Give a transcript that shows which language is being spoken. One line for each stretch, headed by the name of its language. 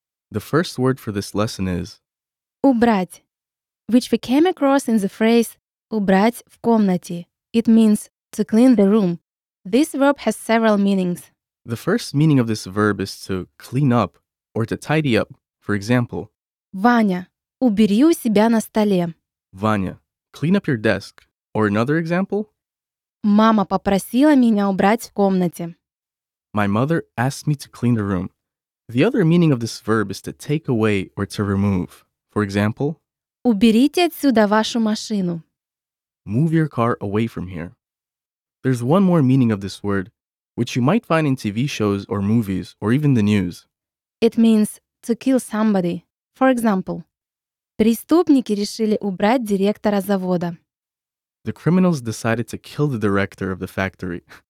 English: The first word for this lesson is убрать, which we came across in the phrase
Russian: убрать в комнате.
English: It means to clean the room. This verb has several meanings. The first meaning of this verb is to clean up or to tidy up. For example,
Russian: Ваня, убери у себя на столе.
English: Ваня, clean up your desk. Or another example,
Russian: Мама попросила меня убрать в комнате.
English: My mother asked me to clean the room. The other meaning of this verb is to take away or to remove. For example,
Russian: Уберите отсюда вашу машину.
English: Move your car away from here. There's one more meaning of this word, which you might find in TV shows or movies or even the news. It means to kill somebody. For example,
Russian: Преступники решили убрать директора завода.
English: The criminals decided to kill the director of the factory.